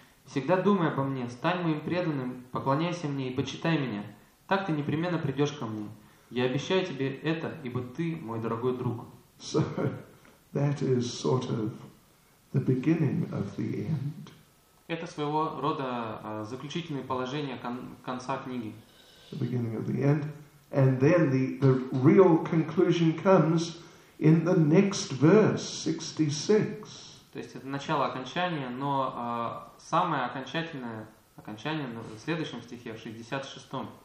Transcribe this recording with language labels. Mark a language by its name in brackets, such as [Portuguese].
[Russian] Всегда думай обо мне, стань моим преданным, поклоняйся мне и почитай меня. Так ты непременно придешь ко мне. Я обещаю тебе это, ибо ты мой дорогой друг. [English] So, that is sort of the beginning of the end. [Russian] Это своего рода заключительное положение конца книги. [English] The beginning of the end. And then the real conclusion comes in the next verse, 66. [Russian] То есть это начало окончания, но самое окончательное окончание в следующем стихе, в 66-м.